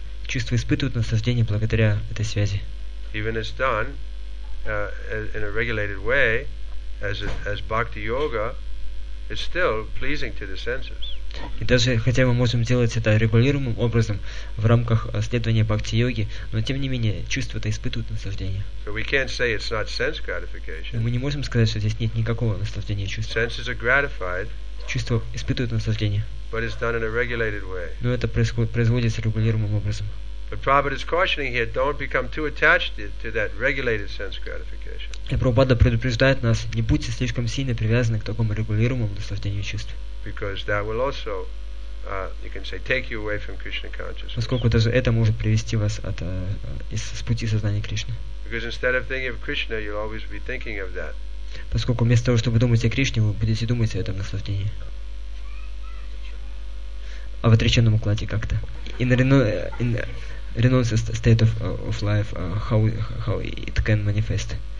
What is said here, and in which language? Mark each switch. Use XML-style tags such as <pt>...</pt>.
<ru>Чувства испытывают наслаждение благодаря этой связи.</ru> <en>Even it's done in a regulated way, as bhakti yoga, it's still pleasing to the senses.</en> <ru>И даже хотя мы можем делать это регулируемым образом в рамках следования бхакти-йоги, но тем не менее чувства это испытывают наслаждение.</ru> <en>So we can't say it's not sense gratification.</en> <ru>Мы не можем сказать, что здесь нет никакого наслаждения чувств.</ru> <en>Senses are gratified.</en> <ru>Чувства испытывают наслаждение.</ru> <en>But it's done in a regulated way.</en> <ru>Но это производится регулируемым образом.</ru> <en>But Prabhupada is cautioning here: don't become too attached to that regulated sense gratification.</en> <ru>И Прабхупада предупреждает нас: не будьте слишком сильно привязаны к такому регулируемому наслаждению чувств.</ru> <en>Because that will also, you can say, take you away from Krishna consciousness.</en> <ru>Поскольку даже это может привести вас от с пути сознания Кришны.</ru> <en>Because instead of thinking of Krishna, you'll always be thinking of that.</en> <ru>Поскольку вместо того, чтобы думать о Кришне, вы будете думать о этом наслаждении. А в отреченном укладе как-то.</ru> <en>In renounced state of life, how it can manifest?</en>